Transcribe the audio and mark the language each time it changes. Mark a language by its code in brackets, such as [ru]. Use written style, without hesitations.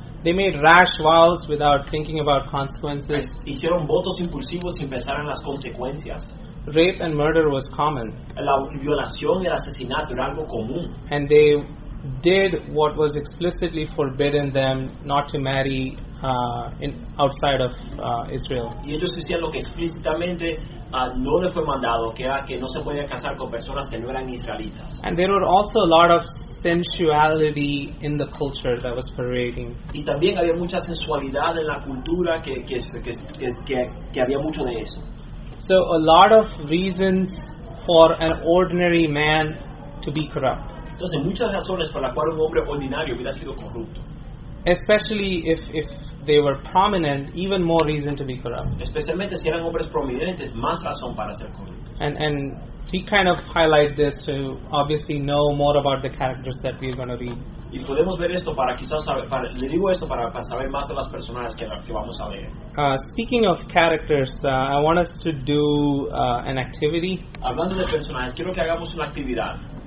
[en] They made rash vows without thinking about consequences. [es] Hicieron votos impulsivos sin pensar en las consecuencias. [en] Rape and murder was common. [es] La violación y el asesinato era algo común. [en] And they did what was explicitly forbidden them not to marry outside of Israel. [es] Y ellos hicieron lo que explícitamente no les fue mandado, que era que no se podía casar con personas que no eran israelitas. [en] And there were also a lot of sensuality in the culture that was pervading. [es] Y también había mucha sensualidad en la cultura que había mucho de eso. [en] So a lot of reasons for an ordinary man to be corrupt. [es] Entonces muchas razones por las cuales un hombre ordinario hubiera sido corrupto. [en] Especially if they were prominent, even more reason to be corrupt. [es] Especialmente si eran hombres prominentes, más razón para ser corrupto. [en] And he kind of highlights this to obviously know more about the characters that we're going to read. [es] Y podemos ver esto para quizás saber, para, le digo esto para saber más de las personas que vamos a leer. [en] Speaking of characters, I want us to do an activity. [es] Hablando de personajes, quiero que hagamos una actividad.